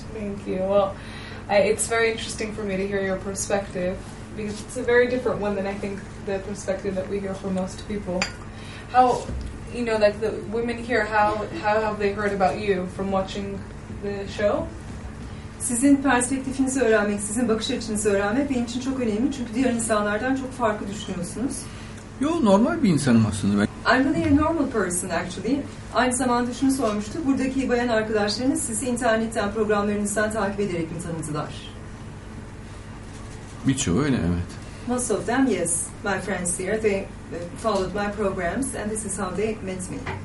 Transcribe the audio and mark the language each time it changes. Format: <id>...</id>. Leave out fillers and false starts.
<en>Thank you. Well, it's very interesting for me to hear your perspective because it's a very different one than I think the perspective that we hear from most people. How, you know, like the women here, how have they heard about you from watching the show?</en> <tr>Sizin perspektifinizi öğrenmek, sizin bakış açınızı öğrenmek benim için çok önemli çünkü diğer insanlardan çok farklı düşünüyorsunuz. Yo, normal bir insanım aslında ben.</tr> <en>I'm really a normal person actually.</en> <tr>Aynı zamanda şunu sormuştu. Buradaki bayan arkadaşlarınız sizi internetten, programlarınızdan takip ederek mi tanıdılar? Birçoğu öyle, evet.</tr> <en>Most of them, yes. My friends here, they followed my programs and this is how they met me.</en>